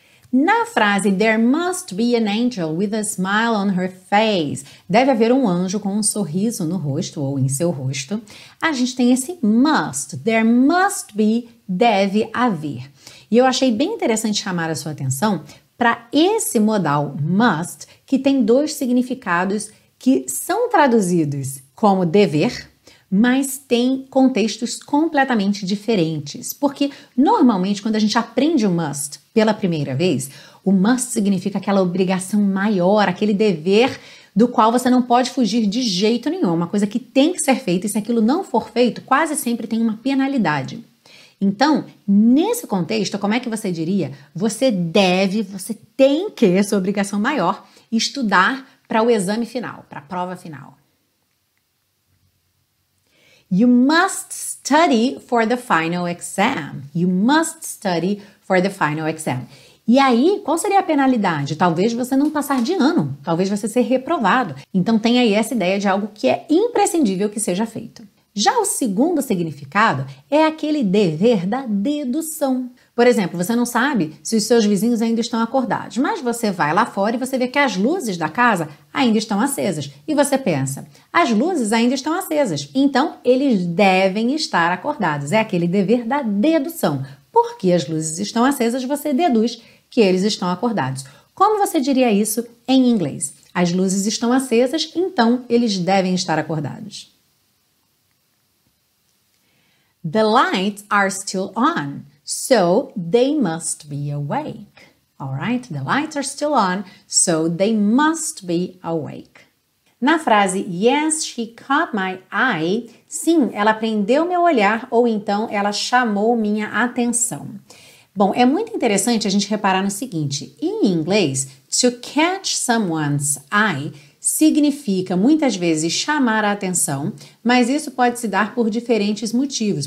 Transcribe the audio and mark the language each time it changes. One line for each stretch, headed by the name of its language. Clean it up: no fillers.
Portuguese: Na frase,
English: there must be an angel with a smile on her face.
Portuguese: Deve haver um anjo com um sorriso no rosto ou em seu rosto. A gente tem esse must.
English: There must be,
Portuguese: deve haver. E eu achei bem interessante chamar a sua atenção para esse modal must, que tem dois significados que são traduzidos como dever, mas tem contextos completamente diferentes. Porque, normalmente, quando a gente aprende o must pela primeira vez, o must significa aquela obrigação maior, aquele dever do qual você não pode fugir de jeito nenhum, uma coisa que tem que ser feita, e se aquilo não for feito, quase sempre tem uma penalidade. Então, nesse contexto, como é que você diria? Você deve, você tem que, essa obrigação maior, estudar para o exame final, para a prova final.
English: You must study for the final exam. You must study for the final exam.
Portuguese: E aí, qual seria a penalidade? Talvez você não passar de ano. Talvez você ser reprovado. Então, tem aí essa ideia de algo que é imprescindível que seja feito. Já o segundo significado é aquele dever da dedução. Por exemplo, você não sabe se os seus vizinhos ainda estão acordados, mas você vai lá fora e você vê que as luzes da casa ainda estão acesas. E você pensa, as luzes ainda estão acesas, então eles devem estar acordados. É aquele dever da dedução. Porque as luzes estão acesas, você deduz que eles estão acordados. Como você diria isso em inglês? As luzes estão acesas, então eles devem estar acordados.
English: The lights are still on, so they must be awake. All right? The lights are still on, so they must be awake.
Portuguese: Na frase,
English: yes, she caught my eye,
Portuguese: sim, ela prendeu meu olhar, ou então ela chamou minha atenção. Bom, é muito interessante a gente reparar no seguinte, em inglês, to catch someone's eye significa, muitas vezes, chamar a atenção, mas isso pode se dar por diferentes motivos.